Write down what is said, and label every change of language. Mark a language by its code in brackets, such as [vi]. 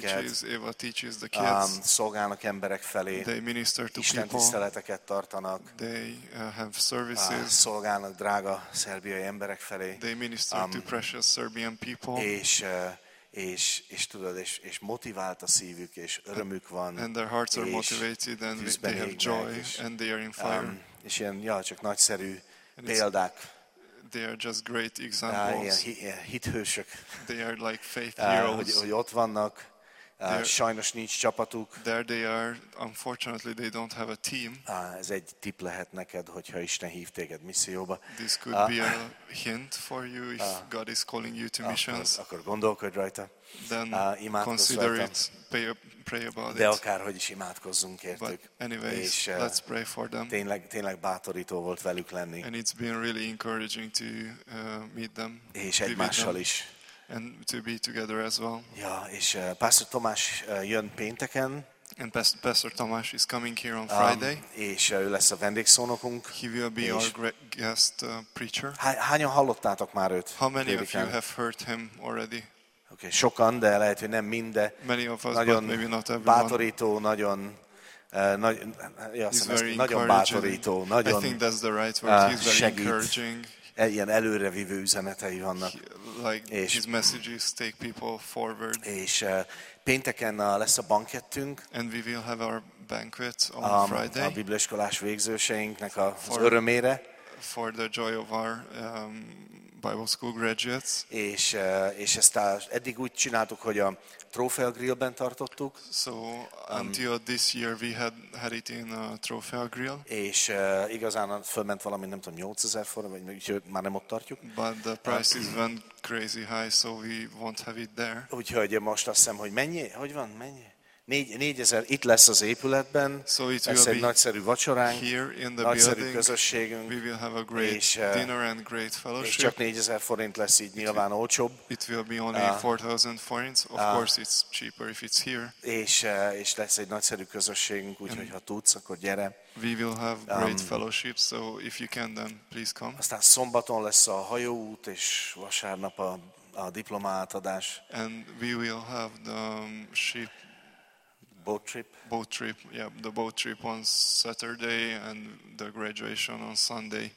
[en] Preaches, Eva teaches the kids. [hu] Szolgálnak emberek felé. [en] They minister to [hu] Isten [en] people. [hu] Tiszteleteket tartanak. [en] They have services. [hu] Szolgálnak drága szerbiai emberek felé. [en] They minister to precious Serbian people. [hu] És motivált a szívük, és örömük van. [en] And their hearts are motivated and they have joy and they are in fire. [hu] És ilyen, csak nagyszerű példák. [en] They are just great examples. [hu] Hithősök. [en] They are like faith heroes. [hu] Hogy ott vannak. Sajnos nincs csapatuk. [en] There they are. Unfortunately, they don't have a team. [hu] Ez egy tipp lehet neked, hogyha Isten hív téged misszióba. [en] This could be a hint for you if God is calling you to missions. [hu] Akkor gondolkodj rajta. [en] Then consider it. Pray about it. [hu] De akárhogy is imádkozzunk értük. [en] But anyways, let's pray for them. [hu] Tényleg bátorító volt velük lenni. [en] And it's been really encouraging to meet them. [hu] És egymással is. [en] And to be together as well. [hu] Ja, és Pastor Tomás jön pénteken. [en] And Pastor Tomás is coming here on Friday. [hu] És ő lesz a vendégszónokunk. [en] He will be our guest preacher. [hu] Hányan hallottátok már őt? [en] How many of you have heard him already? [hu] Okay, sokan, de lehet, hogy nem mind, de [en] many of us, [hu] nagyon [en] but maybe not everyone. [hu] Bátorító, nagyon nagyon bátorító, nagyon. [en] I think that's the right word. He's very encouraging. [hu] Ilyen előrevívő üzenetei vannak. És [en] his messages take people forward. [hu] És pénteken lesz a bankettünk. [en] And we will have our banquet on Friday. [hu] A bibliaiskolás végzőseinknek az örömére. [en] For the joy of our Bible school graduates. [hu] És ezt eddig úgy csináltuk, hogy a Trophy Grillben tartottuk. [en] So until this year we had it in a Trophy Grill. [hu] És igazán fölment valami, nem tudom, 8000 forint, vagy már nem ott tartjuk. [en] But the prices went crazy high, so we won't have it there. [hu] Úgyhogy most azt hiszem, hogy mennyi? Hogy van? Mennyi? 4000 itt lesz az épületben. [en] So it [hu] lesz egy nagyszerű vacsoránk, nagyszerű közösségünk. [en] We will have a great dinner and great fellowship. [hu] És csak 4000 forint lesz így nyilván olcsóbb. [en] It will be only 4000 forints. Of course it's cheaper if it's here. [hu] És lesz egy nagyszerű közösségünk, úgyhogy ha tudsz, akkor gyere. [en] We will have great fellowship, so if you can then please come. [hu] Aztán szombaton lesz a hajóút, és vasárnap a diplomaátadás. [en] And we will have the ship boat trip, yeah, the boat trip on Saturday and the graduation on Sunday.